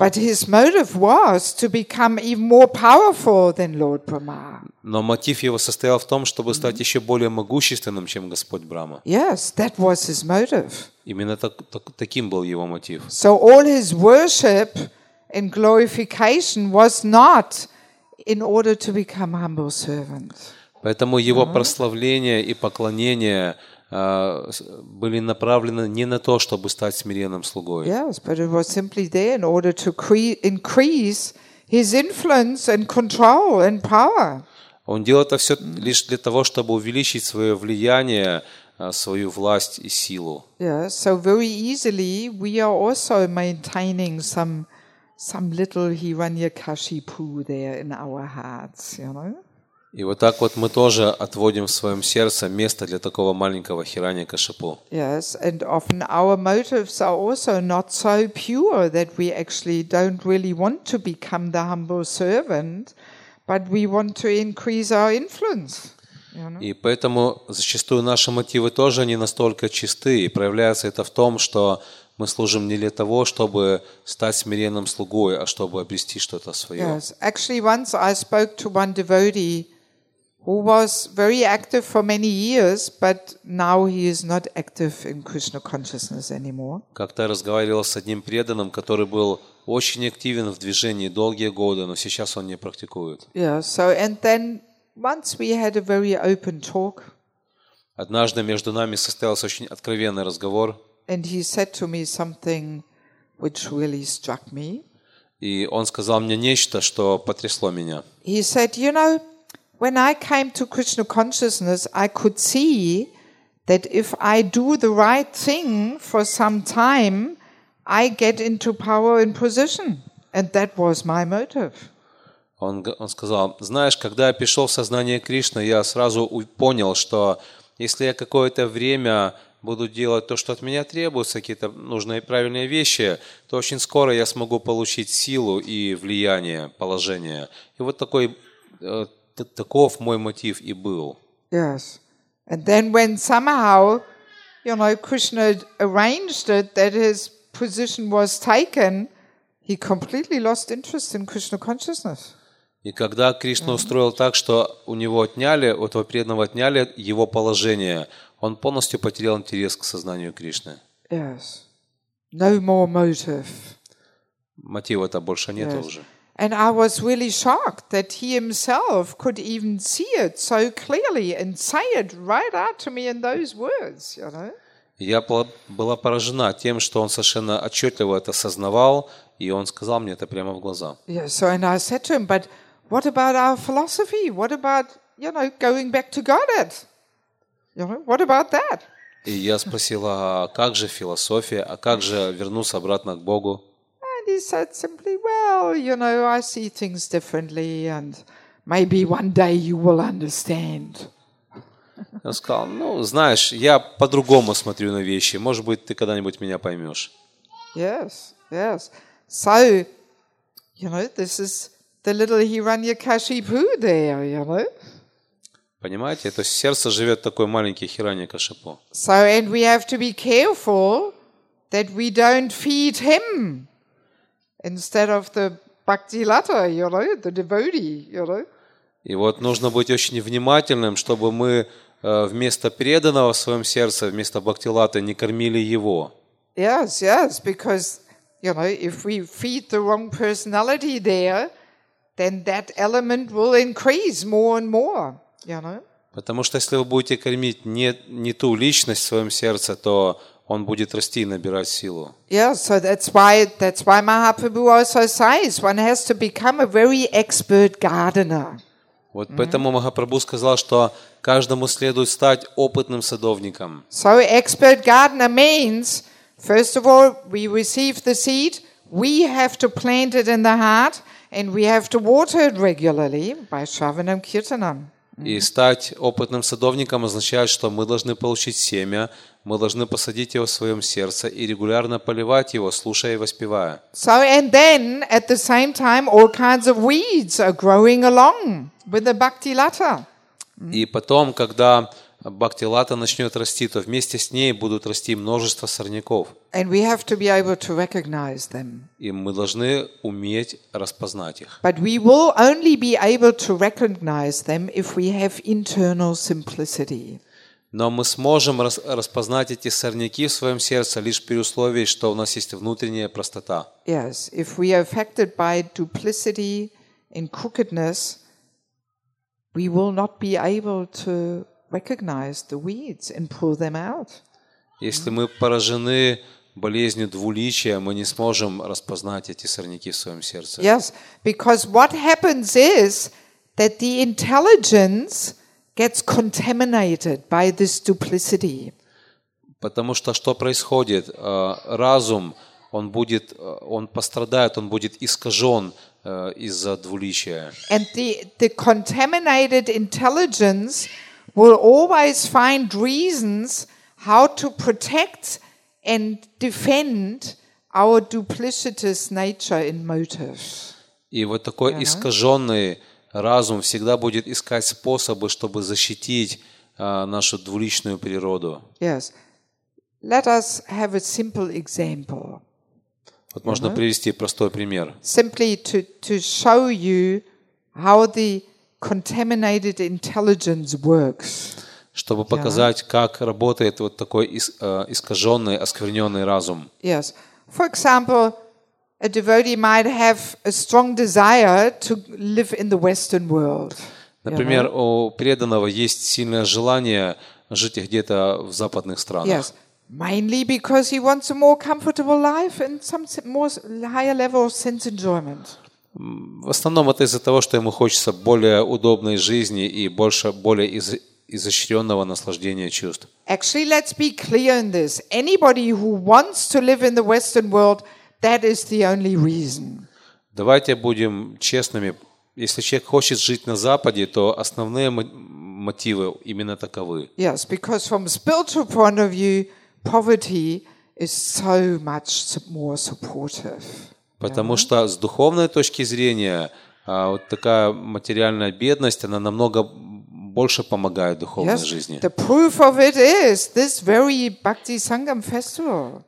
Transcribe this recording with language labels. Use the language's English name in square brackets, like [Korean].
[English] But his motive was to become even more powerful than Lord Brahma. [Russian] Но мотив его состоял в том, чтобы стать еще более могущественным, чем Господь Брама. [English] Yes, that was his motive. [Russian] Именно таким был его мотив. [English] So all his worship and glorification was not in order to become humble servants. [Russian] Поэтому его прославление и поклонение были направлены не на то, чтобы стать смиренным слугой. [English] Yes, but it was simply there in order to increase his influence and control and power. [Russian] Он делал это все лишь для того, чтобы увеличить свое влияние, свою власть и силу. [English] Yes, so very easily we are also maintaining some little Hiranyakashipu there in our hearts, you know. [Russian] И вот так вот мы тоже отводим в своем сердце место для такого маленького Хираньякашипу. [English] Yes, and often our motives are also not so pure that we actually don't really want to become the humble servant, but we want to increase our influence. [Russian] И поэтому зачастую наши мотивы тоже не настолько чисты, и проявляется это в том, что мы служим не для того, чтобы стать смиренным слугой, а чтобы обрести что-то свое. [English] Yes, actually once I spoke to one devotee who was very active for many years, but now he is not active in Krishna consciousness anymore. [Russian] Как-то разговаривал с одним преданным, который был очень активен в движении долгие годы, но сейчас он не практикует. [English] Yeah, so and then once we had a very open talk. [Russian] Однажды между нами состоялся очень откровенный разговор. [English] And he said to me something which really struck me. [Russian] И он сказал мне нечто, что потрясло меня. [English] He said, you know, when I came to Krishna consciousness, I could see that if I do the right thing for some time, I get into power and position. And that was my motive. [Russian] Он сказал, знаешь, когда я пришел в сознание Кришны, я сразу понял, что если я какое-то время буду делать то, что от меня требуется, какие-то нужные и правильные вещи, то очень скоро я смогу получить силу и влияние, положение. И вот такой, таков мой мотив и был. [English] Yes. And then when somehow, you know, Krishna arranged it, that his position was taken, he completely lost interest in Krishna consciousness. [Russian] И когда Кришна устроил так, что у него отняли, у этого преданного отняли его положение, он полностью потерял интерес к сознанию Кришны. [English] Yes. No more motive. [Russian] Мотива-то больше нет уже. [English] And I was really shocked that he himself could even see it so clearly and say it right out to me in those words, you know. [Russian] Я была поражена тем, что он совершенно отчетливо это осознавал, и он сказал мне это прямо в глаза. [English] Yes, so and I said to him, but what about our philosophy? What about, you know, going back to Godhead? You know, what about that? [Russian] И я спросила, а как же философия, а как же вернуться обратно к Богу? [English] And he said simply, well, you know, I see things differently and maybe one day you will understand. [Russian] Я сказал, ну, знаешь, я по-другому смотрю на вещи. Может быть, ты когда-нибудь меня поймешь. [English] Yes, yes. So, you know, this is the little Hiranyakashipu there, you know. [Russian] Понимаете, то есть сердце живет такой маленький Хираньякашипу. [English] So and we have to be careful that we don't feed him instead of the Bhakti-lata, you know, the devotee, you know. [Russian] И вот нужно быть очень внимательным, чтобы мы вместо преданного в своем сердце, вместо Бхакти-латы, не кормили его. [English] Yes, yes, because you know, if we feed the wrong personality there, then that element will increase more and more. You know? [Russian] Потому что если вы будете кормить не ту личность в своем сердце, то он будет расти и набирать силу. [English] Yeah, so that's why Mahaprabhu also says one has to become a very expert gardener. [Russian] Вот поэтому Махапрабху сказал, что каждому следует стать опытным садовником. [English] So expert gardener means, first of all, we receive the seed, we have to plant it in the heart, and we have to water it regularly by Shravanam Kirtanam. [Russian] И стать опытным садовником означает, что мы должны получить семя, мы должны посадить его в своем сердце и регулярно поливать его, слушая и воспевая. [English] So and then at the same time all kinds of weeds are growing along with the Bhakti Lata. [Russian] И потом, когда Bhakti Lata начнет расти, то вместе с ней будут расти множество сорняков. [English] And we have to be able to recognize them. [Russian] И мы должны уметь распознать их. [English] But we will only be able to recognize them if we have internal simplicity. [Russian] Но мы сможем распознать эти сорняки в своем сердце лишь при условии, что у нас есть внутренняя простота. [English] Yes, if we are affected by duplicity and crookedness, we will not be able to recognize the weeds and pull them out. [Russian] Если мы поражены болезнью двуличия, мы не сможем распознать эти сорняки в своем сердце. [English] Yes, because what happens is that the intelligence gets contaminated by this duplicity. [Russian] Потому что происходит? Разум, он пострадает, он будет искажен из-за двуличия. [English] And the contaminated intelligence will always find reasons how to protect and defend our duplicitous nature and motive. [Russian] И вот такой искаженный разум всегда будет искать способы, чтобы защитить нашу двуличную природу. [English] Yes. Let us have a simple example. [Russian] Вот можно привести простой пример. [English] Simply to show you how the contaminated intelligence works. [Russian] Чтобы показать, как работает вот такой искаженный, оскверненный разум. [English] Yes. For example, a devotee might have a strong desire to live in the Western world. [Russian] Например, у преданного есть сильное желание жить где-то в западных странах. [English] Yes, mainly because he wants a more comfortable life and some more higher level of sense enjoyment. [Russian] В основном это из-за того, что ему хочется более удобной жизни и более изощренного наслаждения чувств. [English] Actually, let's be clear on this. Anybody who wants to live in the Western world, that is the only reason. [Russian] Давайте будем честными. Если человек хочет жить на Западе, то основные мотивы именно таковы. [English] Yes, because from a spiritual point of view, poverty is so much more supportive. [Russian] Потому что с духовной точки зрения вот такая материальная бедность, она намного больше помогает духовной жизни. [English] The proof of it is this very Bhakti Sangam festival.